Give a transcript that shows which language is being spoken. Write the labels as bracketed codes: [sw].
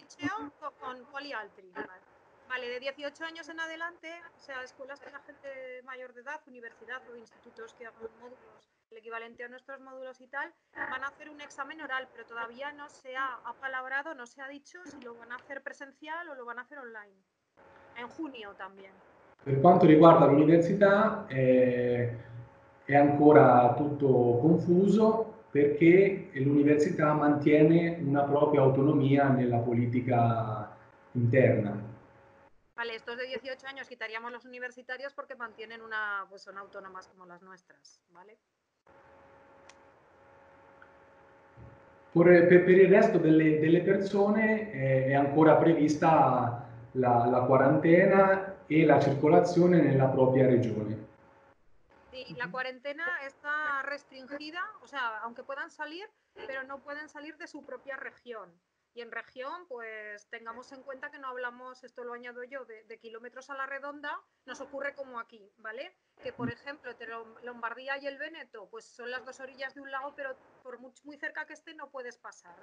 [es] ¿El liceo con cuál y altri? Vale, de 18 años en adelante, o sea, escuelas para gente mayor de edad, universidad o institutos que hagan módulos, el equivalente a nuestros módulos y tal, van a hacer un examen oral, pero todavía no se ha apalabrado, no se ha dicho si lo van a hacer presencial o lo van a hacer online. En junio también. [it] Per quanto riguarda l'università è ancora tutto confuso perché l'università mantiene una propria autonomia nella politica interna. [es] Vale, estos de 18 años quitaríamos los universitarios porque mantienen una, pues son autónomas como las nuestras, ¿vale? [it] Per il resto delle persone è ancora prevista la quarantena e la circolazione nella propria regione. Sì, la quarantena sta [es] restringida, o sea, aunque puedan salir, pero no pueden salir de su propia región. Y en región, pues tengamos en cuenta que no hablamos, esto lo añado yo, de kilómetros a la redonda, nos ocurre como aquí, ¿vale? Que, por ejemplo, entre Lombardía y el Véneto, pues son las dos orillas de un lago, pero por muy cerca que esté no puedes pasar.